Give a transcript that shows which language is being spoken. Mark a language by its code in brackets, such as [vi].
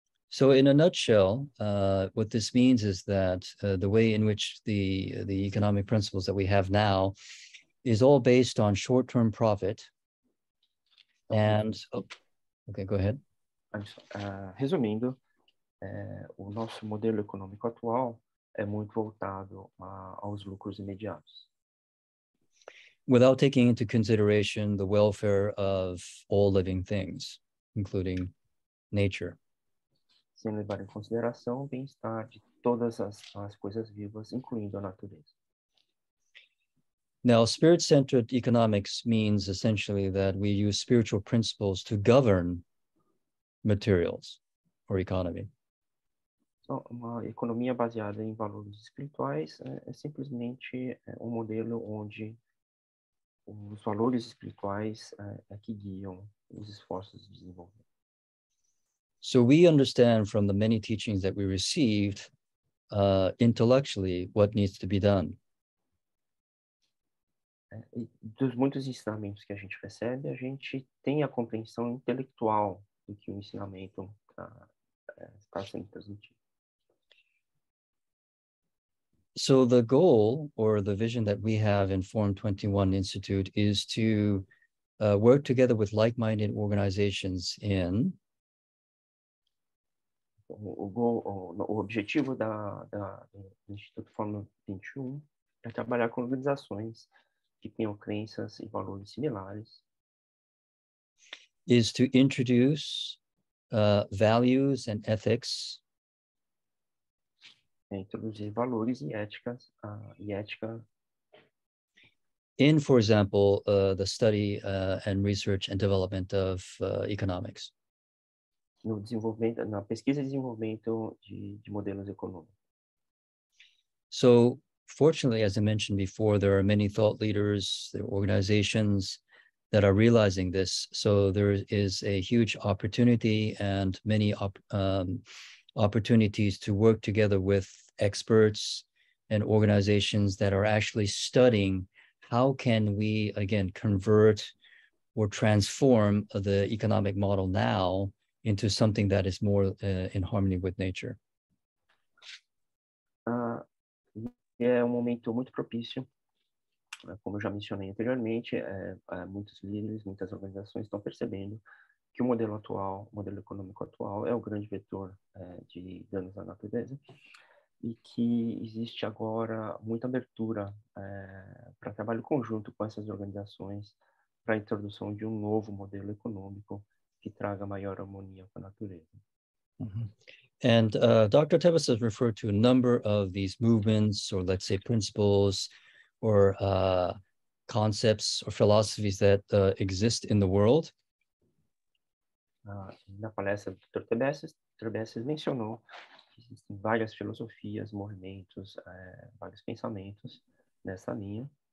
[en] So in a nutshell, what this means is that the way in which the economic principles that we have now is all based on short-term profit and... Oh, okay, go ahead. [pt] Resumindo, o nosso modelo econômico atual é muito voltado aos lucros imediatos. [en] Without taking into consideration the welfare of all living things, including nature. [pt] Sem levar em consideração o bem-estar de todas as coisas vivas, incluindo a natureza. [en] Now, spirit-centered economics means essentially that we use spiritual principles to govern materials or economy. [pt] So, uma economia baseada em valores espirituais é simplesmente um modelo onde os valores espirituais é que guiam os esforços de desenvolvimento. [en] So we understand from the many teachings that we received intellectually what needs to be done. [pt] Dos muitos ensinamentos que a gente recebe, a gente tem a compreensão intelectual do que o ensinamento está sendo transmitido. [en] So the goal or the vision that we have in Forum 21 Institute is to work together with like-minded organizations in [pt] O objetivo do Instituto Fórmula 21 é trabalhar com organizações que tenham crenças e valores similares. [en] Is to introduce values and ethics. [pt] É introduzir valores e éticas. E ética. [en] In, for example, the study and research and development of economics. [pt] No desenvolvimento, na pesquisa e desenvolvimento de modelos econômicos. [en] So, fortunately, as I mentioned before, there are many thought leaders, there are organizations that are realizing this. So there is a huge opportunity and many opportunities to work together with experts and organizations that are actually studying how can we, again, convert or transform the economic model now into something that is more in harmony with nature. [pt] É um momento muito propício. Como eu já mencionei anteriormente, muitos líderes, muitas organizações estão percebendo que o modelo atual, o modelo econômico atual, é o grande vetor de danos à natureza e que existe agora muita abertura para trabalho conjunto com essas organizações para a introdução de um novo modelo econômico que traga maior harmonia com a natureza. [en] Mm-hmm. And Dr. Tebecis has referred to a number of these movements, or let's say principles, or concepts, or philosophies that exist in the world. [pt] Na palestra do Dr. Tebecis mencionou que existem várias filosofias, movimentos, vários pensamentos nessa linha.